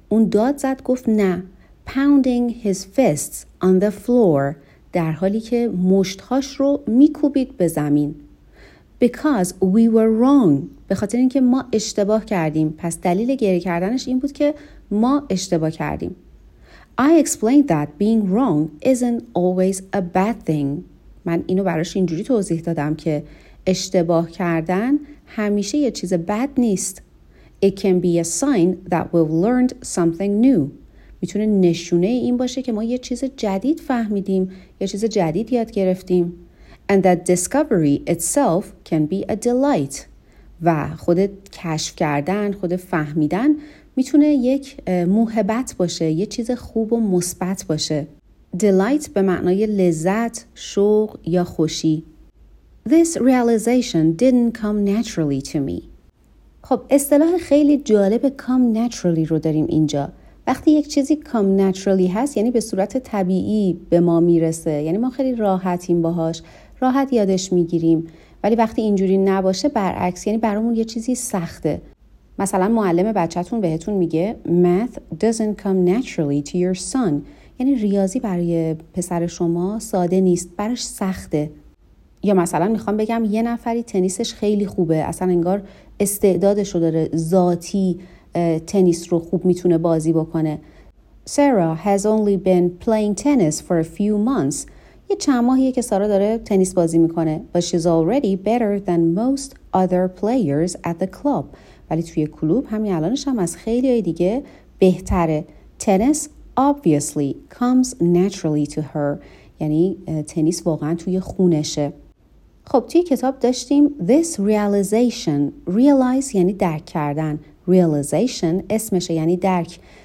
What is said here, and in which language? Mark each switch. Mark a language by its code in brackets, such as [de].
[fa] اون داد زد، گفت نه. [en] Pounding his fists on the floor. [fa] در حالی که مشتهاش رو میکوبید به زمین. [en] Because we were wrong. [fa] به خاطر اینکه ما اشتباه کردیم. پس دلیل گریه کردنش این بود که ما اشتباه کردیم. [en] I explained that being wrong isn't always a bad thing. [fa] من اینو براش اینجوری توضیح دادم که اشتباه کردن همیشه یه چیز بد نیست. [en] It can be a sign that we've learned something new. [fa] میتونه نشونه این باشه که ما یه چیز جدید فهمیدیم، یه چیز جدید یاد گرفتیم. [en] And that discovery itself can be a delight. [fa] و خود کشف کردن، خود فهمیدن میتونه یک موهبت باشه، یه چیز خوب و مثبت باشه. Delight به معنای لذت، شوق یا خوشی. [en] This realization didn't come naturally to me. [fa] خب اصطلاح خیلی جالب come naturally رو داریم اینجا. وقتی یک چیزی come naturally هست یعنی به صورت طبیعی به ما میرسه، یعنی ما خیلی راحتیم باهاش، راحت یادش میگیریم. ولی وقتی اینجوری نباشه برعکس، یعنی برامون یه چیزی سخته. مثلا معلم بچه‌تون بهتون میگه [en] math doesn't come naturally to your son، [fa] یعنی ریاضی برای پسر شما ساده نیست، براش سخته. یا مثلا میخوام بگم یه نفری تنیسش خیلی خوبه، اصلا انگار استعدادش رو داره، ذاتی تنیس رو خوب میتونه بازی بکنه. [en] Sarah has only been playing tennis for a few months. [fa] یه چند ماهیه که سارا داره تنیس بازی میکنه. [en] But she's already better than most other players at the club. [fa] ولی توی کلوب همین الانش هم از خیلی های دیگه بهتره. [en] Tennis obviously comes naturally to her. [fa] یعنی تنیس واقعا توی خونشه. خب توی کتاب داشتیم this realization. Realize یعنی درک کردن. Realization اسمشه یعنی درک.